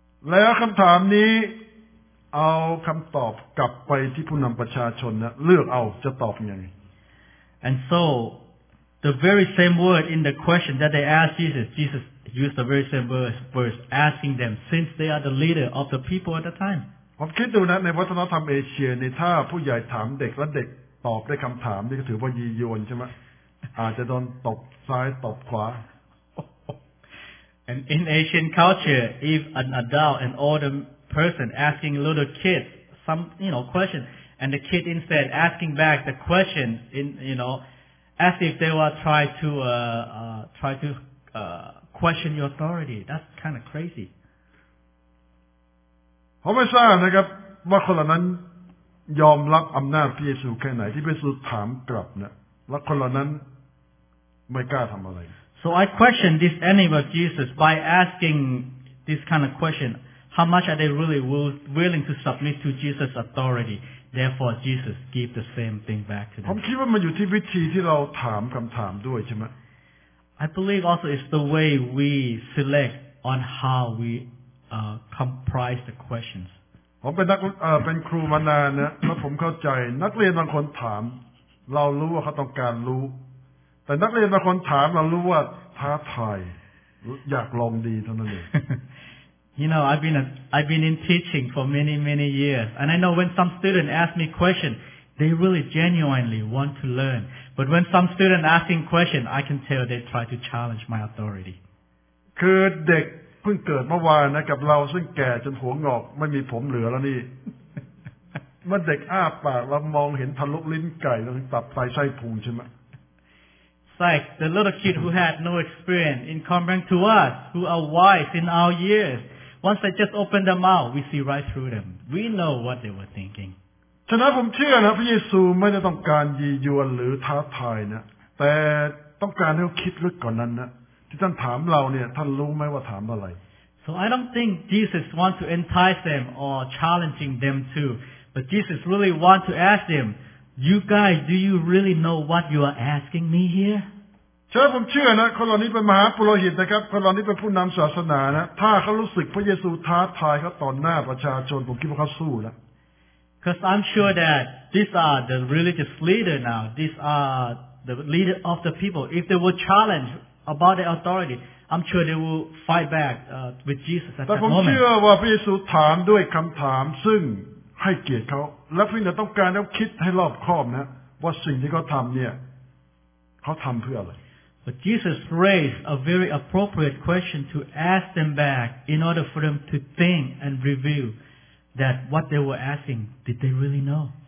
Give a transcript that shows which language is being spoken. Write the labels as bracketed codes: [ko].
[th] แล้วคำถามนี้เอาคำตอบกลับไปที่ผู้นำประชาชนนะเลือกเอาจะตอบยังไง [en] And so the very same word in the question that they asked Jesus. Use the very same verse, asking them, since they are the leader of the people at the time. [th] ผมคิดดูนะในวัฒนธรรมเอเชียนี่ถ้าผู้ใหญ่ถามเด็กและเด็กตอบด้วยคำถามนี่ก็ถือว่ายีโยนใช่ไหมอาจจะโดนตบซ้ายตบขวา [en] And in Asian culture, if an adult, an older person asking little kids some, you know, question, and the kid instead asking back the question, in, you know, as if they were trying to question your authority. That's kind of crazy. [th] ผมไม่ทราบนะครับว่าคนเหล่านั้นยอมรับอำนาจพระเยซูแค่ไหนที่พระเยซูถามกลับนะและคนเหล่านั้นไม่กล้าทำอะไร [en] So I question this enemy of Jesus by asking this kind of question. How much are they really willing to submit to Jesus' authority? Therefore, Jesus give the same thing back to them. [th] ผมคิดว่ามันอยู่ที่วิธีที่เราถามคำถามด้วยใช่ไหม [en] I believe also it's the way we select on how we comprise the questions. [th] ผมเป็นนักเป็นครูมานานนะแล้วผมเข้าใจนักเรียนบางคนถามเรารู้ว่าเขาต้องการรู้แต่นักเรียนบางคนถามเรารู้ว่าท้าทายอยากลองดีเท่านั้นเอง [en] You know I've been in teaching for many years and I know when some student ask me question they really genuinely want to learn. But when some student asking question, I can tell they try to challenge my authority. [th] คือเด็กเพิ่งเกิดเมื่อวานนะกับเราซึ่งแก่จนหัวงอกไม่มีผมเหลือแล้วนี่เมื่อเด็กอ้าปากเรามองเห็นทะลุลิ้นไก่แล้วตับไตไส้พุงใช่ไหม [en] It's like the little kid who had no experience in comparing to us, who are wise in our years. Once they just open their mouth, we see right through them. We know what they were thinking. [th] ฉะนั้นผมเชื่อนะพระเยซูไม่ได้ต้องการยียวนหรือท้าทายนะแต่ต้องการให้เขาคิดลึกกว่านั้นนะที่ท่านถามเราเนี่ยท่านรู้ไหมว่าถามอะไร [en] So I don't think Jesus wants to entice them or challenging them too but Jesus really wants to ask them you guys do you really know what you are asking me here [th] ฉะนั้นผมเชื่อนะคนเหล่านี้เป็นมหาปุโรหิตนะครับคนเหล่านี้เป็นผู้นำศาสนานะถ้าเขารู้สึกพระเยซูท้าทายเขาต่อหน้าประชาชนผมคิดว่าเขาสู้แล้ว [en] Because I'm sure that these are the religious leader now. These are the leader of the people. If they were challenged about their authority, I'm sure they will fight back with Jesus at that moment. [th] แต่ผมเชื่อว่าพระเยซูถามด้วยคำถามซึ่งให้เกียรติเขาและพระองค์ต้องการให้เขาคิดให้รอบคอบนะว่าสิ่งที่เขาทำเนี่ยเขาทำเพื่ออะไร [en] But Jesus raised a very appropriate question to ask them back in order for them to think and review that what they were asking, did they really know?